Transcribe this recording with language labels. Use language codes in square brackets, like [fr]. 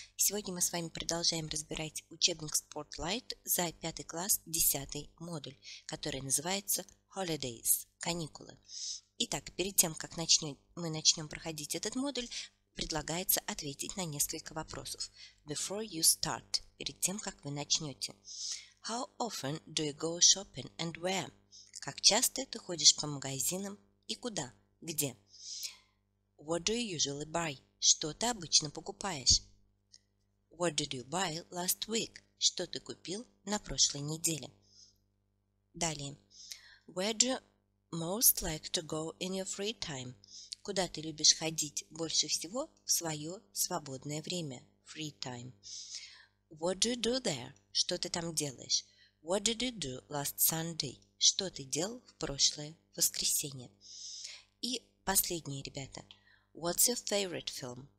[ru] Сегодня мы с вами продолжаем разбирать учебник Spotlight за 5 класс, 10 модуль, который называется Holidays – каникулы. Итак, перед тем, как мы начнем проходить этот модуль, предлагается ответить на несколько вопросов. [en] Before you start [ru] – перед тем, как вы начнете. [en] How often do you go shopping and where? [ru] Как часто ты ходишь по магазинам и куда? Где? [en] What do you usually buy? [ru] Что ты обычно покупаешь? [en] What did you buy last week? [ru] Что ты купил на прошлой неделе? Далее. [en] Where do you most like to go in your free time? [ru] Куда ты любишь ходить больше всего в свое свободное время? [en] Free time. What do you do there? [ru] Что ты там делаешь? [en] What did you do last Sunday? [ru] Что ты делал в прошлое воскресенье? И последнее, ребята. [en] What's your favorite film?